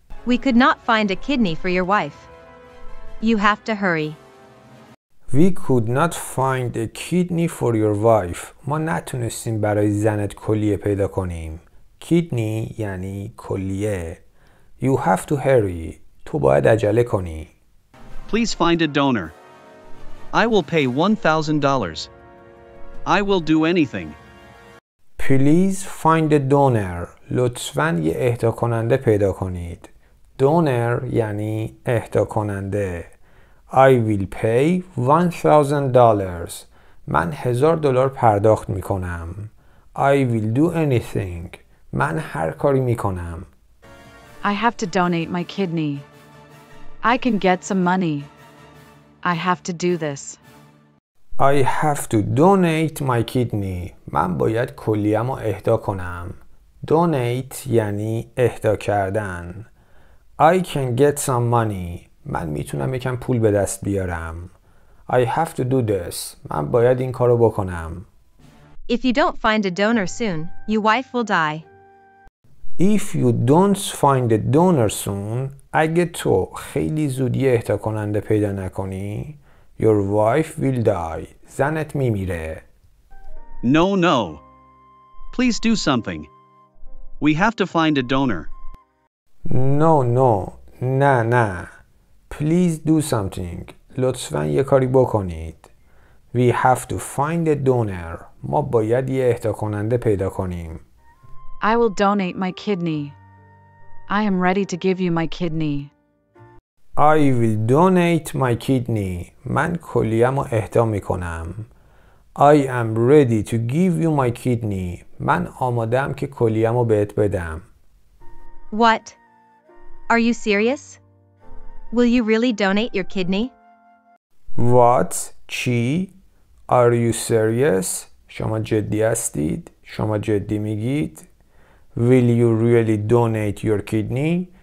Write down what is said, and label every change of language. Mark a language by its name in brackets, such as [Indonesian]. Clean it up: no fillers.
[English] We could not find a kidney for your wife. You have to hurry. We could not find a kidney for your wife. [Persian] ما نتونستیم برای زنت کلیه پیدا کنیم. [English] Kidney [Persian] یعنی کلیه. [English] You have to hurry. [Persian] تو باید عجله کنی. [English] Please find a donor. I will pay $1,000. I will do anything. Please find a donor. [Persian] لطفاً یه اهدا کننده پیدا کنید. [English] Donor [Persian] یعنی اهدا کننده. [English] I will pay $1,000. [Persian] من $1,000 پرداخت می کنم. [English] I will do anything. [Persian] من هر کاری می کنم. [English] I have to donate my kidney. I can get some money. I have to do this. I have to donate my kidney. [Persian] من باید کلیم رو اهدا کنم. [English] Donate [Persian] یعنی اهدا کردن. [English] I can get some money. [Persian] من میتونم یکم پول به دست بیارم. [English] I have to do this. [Persian] من باید این کارو بکنم. [English] If you don't find a donor soon, your wife will die. If you don't find a donor soon, [Persian] اگه تو خیلی زودی اهدا کننده پیدا نکنی, [English] your wife will die. [Persian] زنت میمیره. [English] No. Please do something. We have to find a donor. No. نه. Please do something. [Persian] لطفاً یه کاری بکنید. [English] We have to find a donor. [Persian] ما باید یه اهدا کننده پیدا کنیم. [English] I will donate my kidney. I am ready to give you my kidney. I will donate my kidney. [Persian] من کلیم رو اهدا میکنم. [English] I am ready to give you my kidney. [Persian] من آمادم که کلیم رو بهت بدم. [English] What? Are you serious? Will you really donate your kidney? What? چی؟ Are you serious? [Persian] شما جدی هستید؟ شما جدی میگید؟ [English] Will you really donate your kidney?